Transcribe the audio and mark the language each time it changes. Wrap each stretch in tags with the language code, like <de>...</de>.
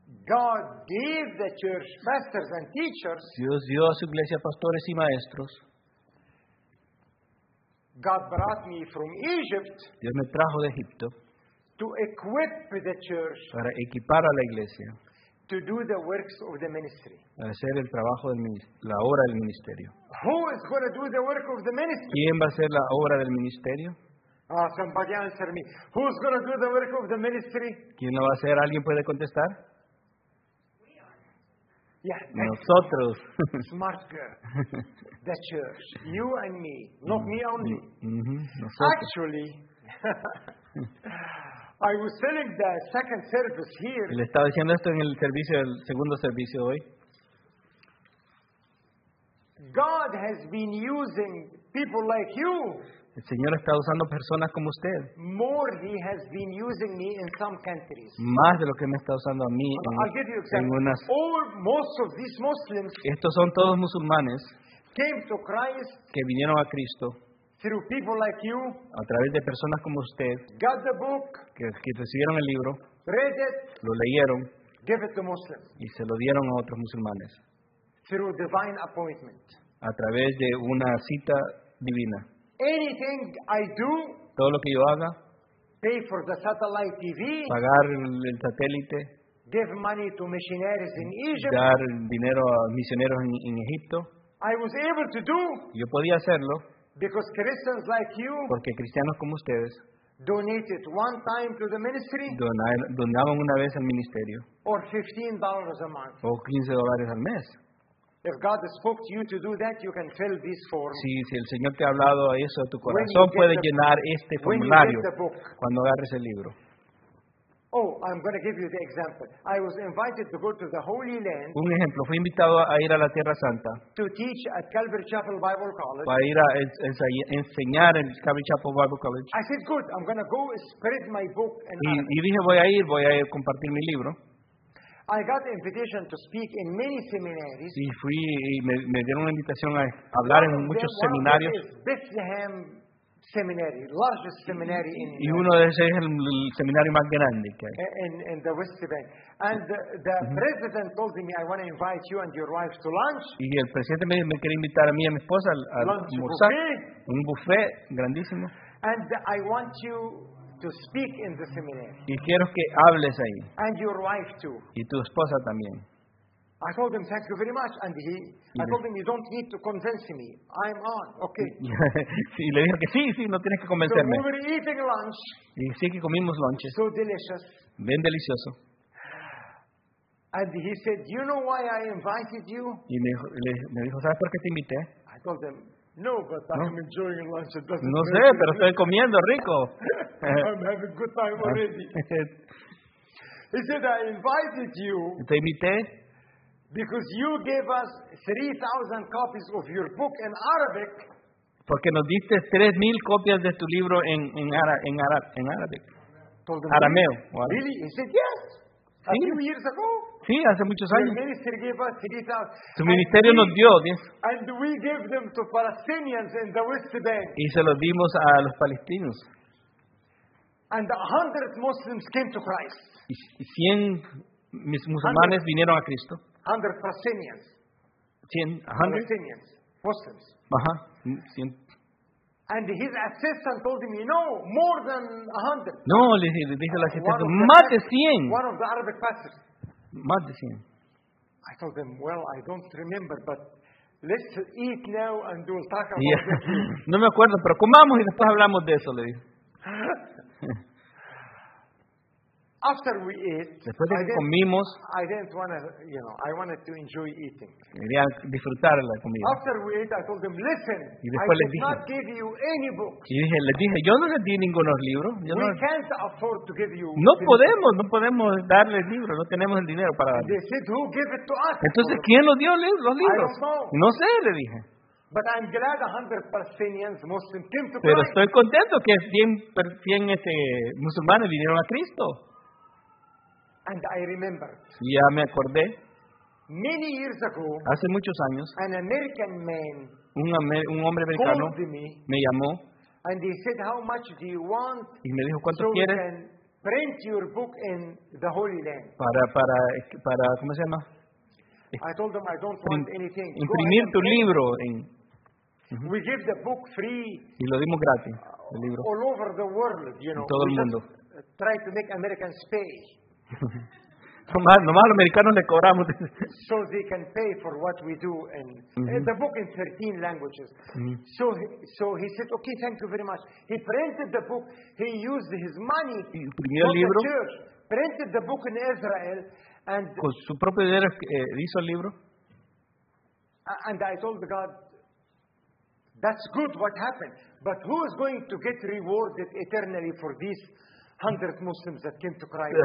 <en>God gave the church masters and teachers.</en> <es>Dios dio a su iglesia pastores y maestros.</es> <en>God brought me from Egypt.</en> <es>Dios me trajo de Egipto.</es> <en>To equip the church.</en> <es>Para equipar a la iglesia.</es> <en>To do the works of the ministry.</en> <es>A hacer el trabajo del la obra del ministerio.</es> <en>Who is going to do the work of the ministry?</en> <es>¿Quién va a hacer la obra del ministerio?</es> <en>Somebody answer me. Who's going to do the work of the ministry?</en> <es>¿Quién lo va a hacer? ¿Alguien puede contestar? Yeah, nosotros.</es> <en>Smart girl. The church. You and me. Not me only. Mm-hmm. Actually, I was telling the second service here.</en> <es>Le estaba diciendo esto en el servicio, el segundo servicio hoy.</es> <en>God has been using people like you.</en> <es>El Señor está usando personas como usted.</es> <en>More he has been using me in some countries.</en> <es>Más de lo que me está usando a mí en unas.</es> <en>All, most of these Muslims.</en> <es>Estos son todos musulmanes.</es> <en>Came to Christ.</en> <es>Que vinieron a Cristo.</es> <en>Through people like you.</en> <es>A través de personas como usted.</es> <en>Got the book.</en> <es>Que recibieron el libro.</es> <en>Read it.</en> <es>Lo leyeron.</es> <en>Give it to Muslims.</en> <es>Y se lo dieron a otros musulmanes.</es> <en>Through divine appointment.</en> <es>A través de una cita divina.</es> <en>Anything I do,</en> <es>todo lo que yo haga,</es> <en>pay for the satellite TV,</en> <es>pagar el satélite,</es> <en>give money to missionaries in Egypt,</en> <es>dar dinero a misioneros en Egipto,</es> <en>I was able to do,</en> <es>yo podía hacerlo,</es> <en>because Christians like you,</en> <es>porque cristianos como ustedes,</es> <en>donated one time to the ministry,</en> <es>donaban una vez al ministerio,</es> <en>or $15 a month,</en> <es>o $15 al mes.</es> <en>If God has spoke to you to do that, you can fill this form.</en> <es>Si el Señor te ha hablado a eso, tu corazón puede llenar este formulario cuando agarres el libro.</es> <en>Oh, I'm going to give you the example. I was invited to go to the Holy Land.</en> <es>Un ejemplo, fui invitado a ir a la Tierra Santa.</es> <en>To teach at Calvary Chapel Bible College.</en> <es>Para ir a enseñar en Calvary Chapel Bible College.</es> <en>I said, good. I'm going to go spread my book.</en> <es>Y dije, voy a ir a compartir mi libro.</es> <en>I got an invitation to speak in many seminaries.</en> <es>Y fui y me dieron una invitación a hablar en muchos seminarios.</es> <en>Bethlehem Seminary, largest seminary in</en> <es>y uno de ese es el seminario más grande que hay.</es> <en>In the West Bank. And the president told me, I want to invite you and your wife to lunch.</en> <es>Y el presidente me quiere invitar a mí y a mi esposa a almorzar. Un buffet grandísimo.</es> <en>And I want you to speak in the seminary.</en> <es>Y quiero que hables ahí.</es> <en>And your wife too.</en> <es>Y tu esposa también.</es> <en>I told him thank you very much, and he. I told him you don't need to convince me. I'm on. Okay.</en> <es>Y le dije que sí, no tienes que convencerme.</es> <en>So we were eating lunch.</en> <es>Y sí que comimos lunches.</es> <en>So delicious.</en> <es>Bien delicioso.</es> <en>And he said, "Do you know why I invited you?"</en> <es>Y me dijo, ¿sabes por qué te invité?</es> <en>I told him, "No, but no. I'm enjoying lunch. It doesn't."</en> <es>No sé, pero estoy comiendo rico.</es> <en>I'm having a good time already. He said, "I invited you."</en> <es>Te invité.</es> <en>Because you gave us 3,000 copies of your book in Arabic.</en> <es>Porque nos diste 3,000 copias de tu libro en Arabic. Arameo.</es> <en>Really? He said yes.</en> <es>¿Sí?</es> <en>A few years ago.</en> <es>Sí, hace muchos años.</es> <en>Your minister gave us 3,000.</en> <es>Su ministerio nos dio 10.</es> <en>And we gave them to Palestinians in the West Bank.</en> <es>Y se los dimos a los palestinos.</es> <en>And 100 Muslims came to Christ.</en> <es>Y 100 musulmanes vinieron a Cristo.</es> <en>100 Palestinians. 100 Palestinians. Muslims.</en> <es>Ajá. 100.</es> <en>And his assistant told him, no, more than 100.</en> <es>No, le dije al asistente, más de 100.</es> <en>One of the Arabic pastors.</en> <es>Más de 100.</es> <en>I told him, well, I don't remember, but let's eat now and we'll talk about it.</en> <es>No me acuerdo, pero comamos y después hablamos de eso, le dije.</es> <en>After we ate,</en> <es>después de que comimos,</es> <en>I didn't want to, you know, I wanted to enjoy eating.</en> <es>Quería disfrutar la comida.</es> <en>After we ate, I told them, listen,</en> <es>y después</es> <en>I did not give you any books.</en> <es>Y les dije, yo no les di ningún libro.</es> <en>Can't afford to give you.</en> <es>No podemos darles libros, no tenemos el dinero para darles.</es> <en>They said, who gave it to us?</en> <es>Entonces, ¿quién nos dio los libros? No sé, le dije.</es> <en>But I'm glad 100 Palestinians, Muslims came to Christ.</en> <es>Pero estoy contento que 100 musulmanes vinieron a Cristo.</es> <en>And I remember.</en> <es>Ya me acordé.</es> <en>Many years ago.</en> <es>Hace muchos años.</es> <en>An American man.</en> <es>Un hombre americano.</es> <en>Called me.</en> <es>Me llamó.</es> <en>And he said, "How much do you want?"</en> <es>Y me dijo, ¿cuánto so quieres?</es> <en>We can print your book in the Holy Land.</en> <es>Para ¿cómo se llama?</es> <en>I told him I don't want anything.</en> <es>Imprimir tu libro en.</es> <en>We give the book free.</en> <es>Y lo dimos gratis. El libro.</es> <en>All over the world, you know.</en> <es>En todo el mundo.</es> <en>Try to make Americans pay.</en> <es>Nomás a los americanos le cobramos.</es> <en>So they can pay for what we do in the book in 13 languages. Mm-hmm. So he said, okay, thank you very much. He printed the book. He used his money for the church. Printed the book in Israel. And</en> <es>con su propio dinero hizo el libro.</es> <en>And I told God, that's good what happened. But who is going to get rewarded eternally for this? 100 Muslims that came to Christ.</en>